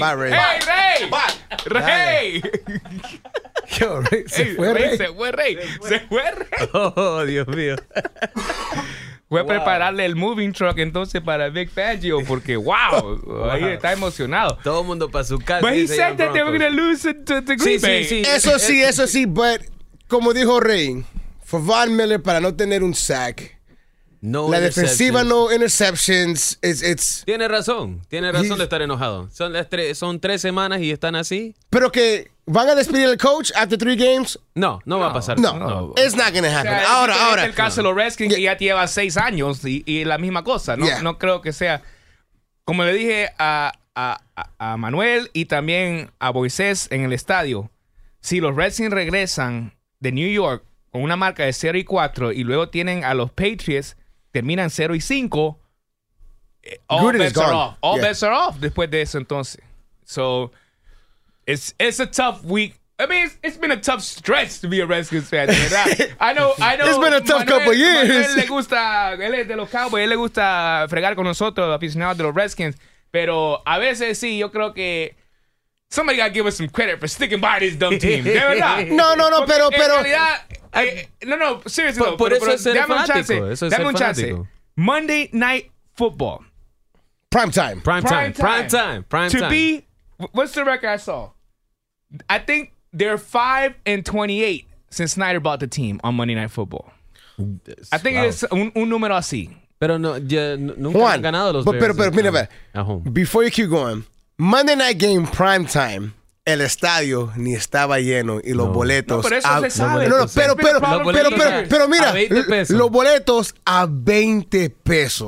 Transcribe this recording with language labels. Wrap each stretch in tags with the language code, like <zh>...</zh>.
<en>Bye, Rey. ¡Hey, Rey! Bye. ¡Rey!</en> <es>Yo, Rey, se fue Rey. Se fue Rey. Se fue Rey. Oh, Dios mío. Voy a prepararle el moving truck entonces para Big Fangio, porque ahí está emocionado. Todo el mundo para su casa.</es> <en>But he said that they were going to lose to the Green Bay.</en> <es>Sí, sí, sí. Eso sí,</es> <en>but</en> <es>como dijo Rey,</es> <en>for</en> <es>Von Miller para no tener un sack, no, la defensiva no</es> <en>interceptions, it's...</en> <es>Tiene razón de estar enojado. Son tres semanas y están así. Pero que... ¿Van a despedir al coach</es> <en>after three games?</en> <es>No, va a pasar.</es> <en>No. It's not going to happen.</en> <es>O sea, ahora. El caso de los Redskins, que ya lleva seis años y la misma cosa. No, no creo que sea. Como le dije a Manuel y también a Moisés en el estadio, si los Redskins regresan de New York con una marca de 0-4 y luego tienen a los Patriots, terminan 0-5,</es> <en>all bets are off</en> <es>después de eso entonces.</es> <en>So... It's a tough week I mean, it's been a tough stretch to be a Redskins fan. I know. It's been a tough couple of years.</en> <es>Manuel le gusta, él es de los Cowboys, él le gusta fregar con nosotros, aficionados de los Redskins. Pero a veces sí, yo creo que</es> <en>somebody got to give us some credit for sticking by this dumb team.</en> <es>De verdad. No, pero.</es> <en>Seriously,</en> <es>Dame un chance.</es> <en>Monday Night Football. Prime time. What's the record I saw? I think they're 5-28 since Snyder bought the team on Monday Night Football. I think it's</en> <es>un número así. Pero no, ya nunca han ganado los Bears. Pero mira,</es> <en>before you keep going, Monday Night Game prime time.</en> <es>El estadio ni estaba lleno y los boletos. No, pero eso se sabe. Pero mira, los boletos a 20 pesos.</es>